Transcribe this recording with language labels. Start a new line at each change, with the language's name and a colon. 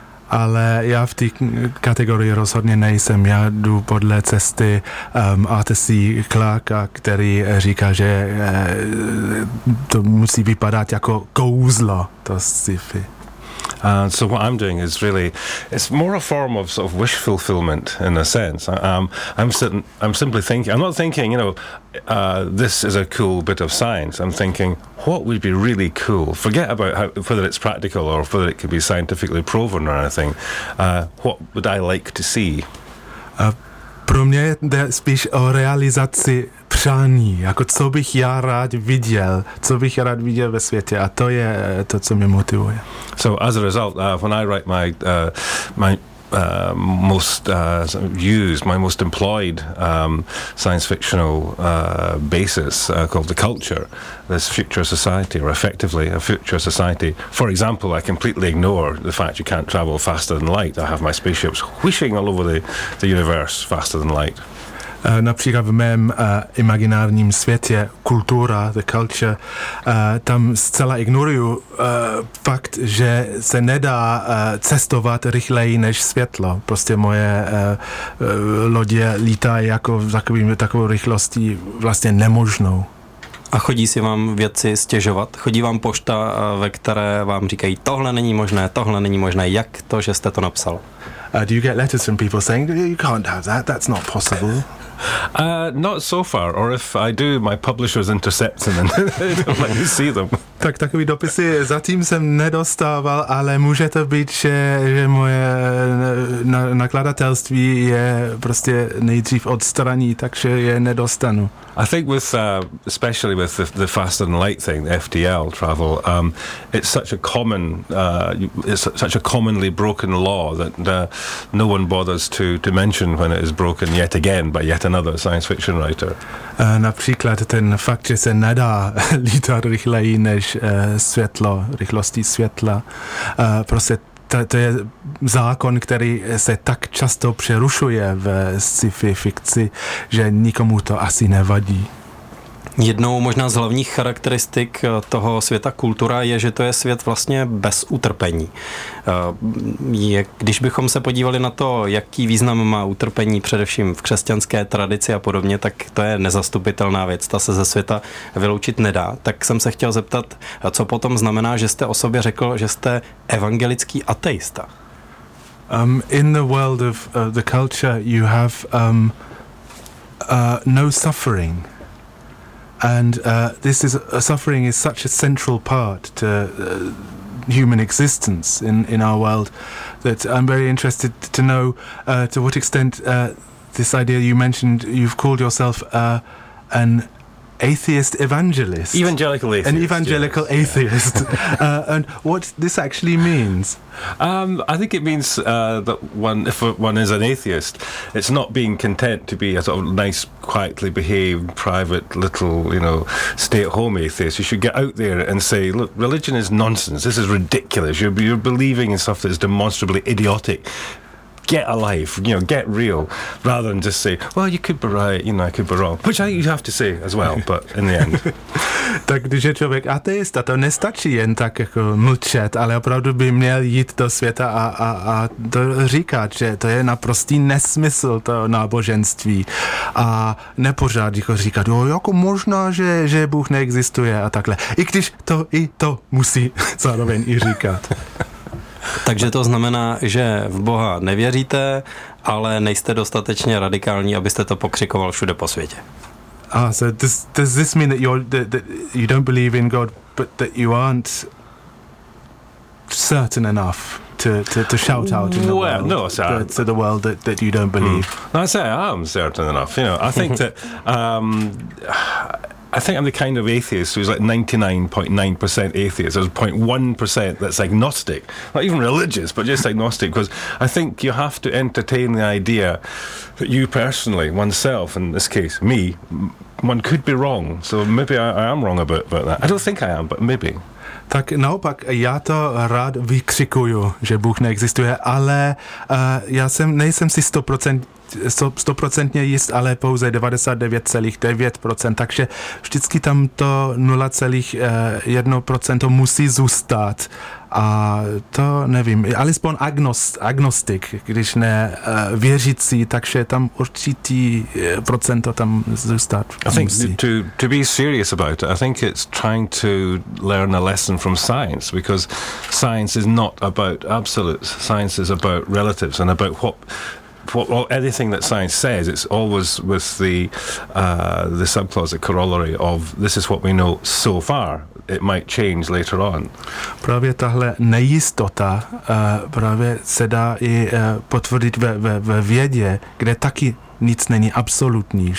Czech: Ale já v té kategorii rozhodně nejsem. Já jdu podle cesty Arthur C. Clarka, který říká, že to musí vypadat jako kouzlo, to sci-fi.
English: And so what I'm doing is really, it's more a form of sort of wish fulfillment in a sense. I'm not thinking, you know, this is a cool bit of science. I'm thinking, what would be really cool? Forget about whether it's practical or whether it could be scientifically proven or anything. What would I like to see?
Czech: Pro mě jde spíš o realizaci přání, jako co bych já rád viděl, co bych rád viděl ve světě, a to je to, co mě motivuje.
English: So as a result, when I write my most employed science fictional basis called The Culture, this future society, or effectively a future society. For example, I completely ignore the fact you can't travel faster than light. I have my spaceships whishing all over the universe faster than light.
Czech: Například v mém imaginárním světě kultura, the culture, tam zcela ignoruju fakt, že se nedá cestovat rychleji než světlo. Prostě moje lodě lítá jako takovou rychlostí vlastně nemožnou. A chodí si vám věci stěžovat? Chodí vám pošta, ve které vám říkají, tohle není možné, jak to, že jste to napsal?
English: Do you get letters from people saying, you can't have that, that's not possible? Not so far, or if I do, my publishers intercept them and they don't let me see them.
Czech: Tak takový dopisy zatím jsem nedostával, ale může to být, že moje nakladatelství je prostě nejdřív odstraní, takže je nedostanu.
English: I think with, especially with the faster than light thing, the FTL travel, it's such a common, it's such a commonly broken law that no one bothers to mention when it is broken yet again by yet another science fiction writer.
Czech: Například ten fakt, že se nedá lítat rychleji než světlo, rychlostí světla, prostě to je zákon, který se tak často přerušuje v sci-fi fikci, že nikomu to asi nevadí. Jednou možná z hlavních charakteristik toho světa kultura je, že to je svět vlastně bez utrpení. Když bychom se podívali na to, jaký význam má utrpení především v křesťanské tradici a podobně, tak to je nezastupitelná věc, ta se ze světa vyloučit nedá. Tak jsem se chtěl zeptat, co potom znamená, že jste o sobě řekl, že jste evangelický ateista?
English: In the world of the culture, you have no suffering, and this is suffering is such a central part to human existence in our world that I'm very interested to know to what extent this idea you mentioned, you've called yourself an atheist evangelist, evangelical atheist, an evangelical yes, atheist, yeah. and what this actually means. I think it means that one, if one is an atheist, it's not being content to be a sort of nice, quietly behaved, private, little, you know, stay-at-home atheist. You should get out there and say, look, religion is nonsense. This is ridiculous. You're believing in stuff that is demonstrably idiotic. Get a life, you know, get real, rather than just say, well, you could be right, you know, I could be wrong, which I think you have to say as well, but in the end.
Czech: Tak když je člověk ateista, to nestačí jen tak jako mlčet, ale opravdu by měl jít do světa a to říkat, že to je naprostý nesmysl, to náboženství, a nepořád jako říkat, jo, jako možná, že Bůh neexistuje a takhle, i když to i to musí zároveň i říkat. Takže to znamená, že v Boha nevěříte, ale nejste dostatečně radikální, abyste to pokřikoval všude po světě.
English: Ah, so does this mean that you don't believe in God, but that you aren't certain enough to shout out in the well, world, no, to the world that you don't believe? No, I say I am certain enough. You know, I think that. I think I'm the kind of atheist who's like 99.9% atheist. There's 0.1% that's agnostic, not even religious, but just agnostic, because I think you have to entertain the idea that you personally, oneself, in this case, me, one could be wrong. So maybe I am wrong about that. I don't think I am, but maybe.
Czech: Tak naopak, já to rád vykřikuju, že Bůh neexistuje, ale nejsem si 100% jist, ale pouze 99,9%, takže vždycky tam to 0,1% musí zůstat. A to nevím, alespoň agnostik, když ne věřící, takže tam určitý procento tam zůstat musí.
English: I think to be serious about it, I think it's trying to learn a lesson from science, because science is not about absolutes, science is about relatives and about what well, anything that science says, it's always with the subclause, the corollary of this is what we know so far. It might change later on.
Czech: Právě tahle nejistota právě se dá i potvrdit ve vědě, kde taky nic není absolutní.